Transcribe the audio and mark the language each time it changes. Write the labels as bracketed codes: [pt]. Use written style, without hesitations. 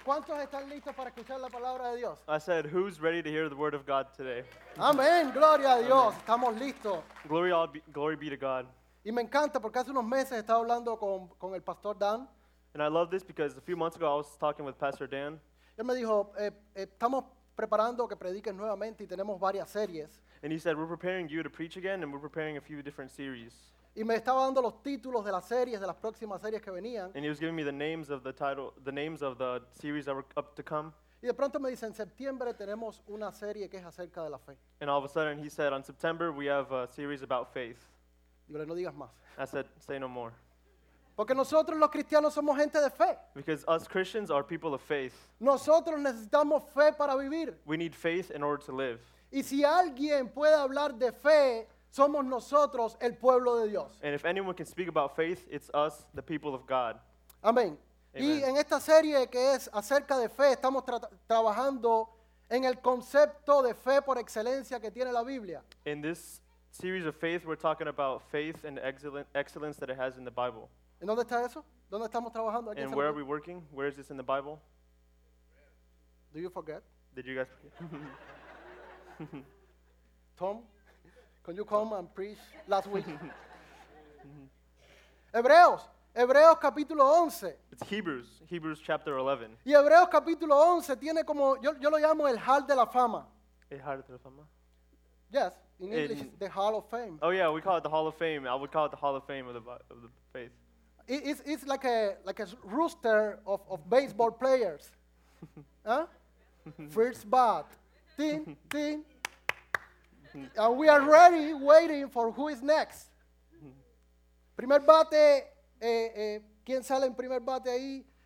[es] ¿Cuántos están listos para escuchar la palabra de Dios? [en] I said, who's ready to hear the word of God today? [es] Amén. Gloria a Dios. Amen. Estamos listos. [en] Glory be to God. [es] Y me encanta porque hace unos meses estaba hablando con el pastor Dan. [en] And I love this because a few months ago I was talking with Pastor Dan. [es] Él me dijo, estamos preparando que prediques nuevamente y tenemos varias series. [en] And he said, we're preparing you to preach again and we're preparing a few different series. [es] Y me estaba dando los títulos de las series, de las próximas series que venían. [en] And he was giving me the names of the title, the names of the series that were up to come. [es] Y de pronto me dice, en septiembre tenemos una serie que es acerca de la fe. [en] And all of a sudden he said, on September we have a series about faith. [es] Digo, no digas más. [en] I said, say no more. [es] Porque nosotros los cristianos somos gente de fe. [en] Because us Christians are people of faith. [es] Nosotros necesitamos fe para vivir. [en] We need faith in order to live. [es] Y si alguien puede hablar de fe, somos nosotros el pueblo de Dios. [en] And if anyone can speak about faith, it's us, the people of God. [es] Amén. Y en esta serie que es acerca de fe, estamos trabajando en el concepto de fe por excelencia que tiene la Biblia. [en] In this series of faith, we're talking about faith and excellence that it has in the Bible. [es] ¿En dónde está eso? ¿Dónde estamos trabajando? [en] And where are we working? Where is this in the Bible? Do you forget? Did you guys forget? Tom? Can you come and preach last week? [es] Hebreos. Hebreos capítulo 11. [en] It's Hebrews. Hebrews chapter 11. [es] Y Hebreos capítulo 11 tiene como, yo lo llamo el hall de la fama. El hall de la fama. [en] Yes. In English, in, the hall of fame. Oh yeah, we call it the hall of fame. I would call it the hall of fame of the faith. It's like a rooster of baseball players. Huh? First bat. Ding, ding. And we are ready, waiting for who is next. [es] Primer bate, ¿quién sale en primer bate ahí?